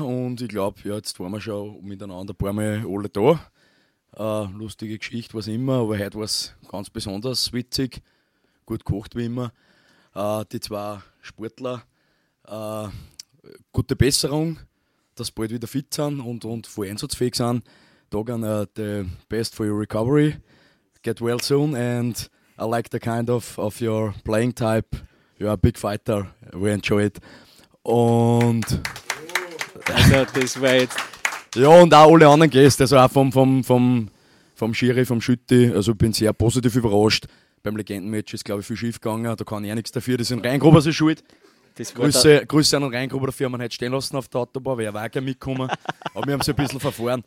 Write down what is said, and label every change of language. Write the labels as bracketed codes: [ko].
[de] Und ich glaube, ja, jetzt waren wir schon miteinander ein paar Mal alle da. Lustige Geschichte, was immer, aber heute war es ganz besonders witzig, gut gekocht wie immer. Die zwei Sportler, gute Besserung, dass sie bald wieder fit sind und voll einsatzfähig sind. [en] Dagan, the best for your recovery, get well soon and I like the kind of your playing type, you are a big fighter, we enjoy it. [de] Und also das war jetzt. Ja, und auch alle anderen Gäste, also auch vom Schiri, vom Schütti, also ich bin sehr positiv überrascht. Beim Legendenmatch ist, glaube ich, viel schief gegangen, da kann er nichts dafür, das sind Rheingruber seine Schuld. Grüße an den Rheingruber dafür, haben wir heute stehen lassen auf der Autobahn, wäre auch gerne mitgekommen, aber wir haben sie ein bisschen verfahren.